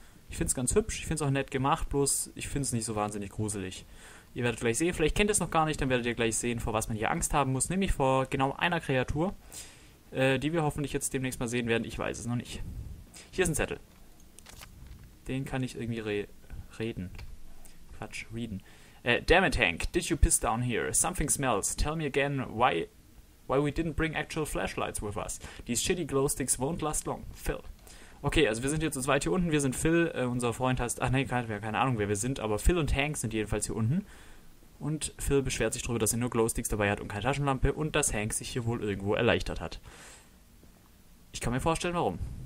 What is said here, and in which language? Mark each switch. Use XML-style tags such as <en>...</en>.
<de>Ich finde es ganz hübsch, ich finde es auch nett gemacht, bloß ich finde es nicht so wahnsinnig gruselig. Ihr werdet gleich sehen, vielleicht kennt ihr es noch gar nicht, dann werdet ihr gleich sehen, vor was man hier Angst haben muss. Nämlich vor genau einer Kreatur, die wir hoffentlich jetzt demnächst mal sehen werden. Ich weiß es noch nicht. Hier ist ein Zettel. Den kann ich irgendwie reden. Quatsch, reden.</de> <en>Damn it, Hank, did you piss down here? Something smells. Tell me again why we didn't bring actual flashlights with us. These shitty glow sticks won't last long. Phil.</en> <de>Okay, also wir sind jetzt zu zweit hier unten. Wir sind Phil, unser Freund heißt... Ach nee, keine Ahnung, wer wir sind. Aber Phil und Hank sind jedenfalls hier unten. Und Phil beschwert sich darüber, dass er nur Glowsticks dabei hat und keine Taschenlampe. Und dass Hank sich hier wohl irgendwo erleichtert hat. Ich kann mir vorstellen, warum.</de>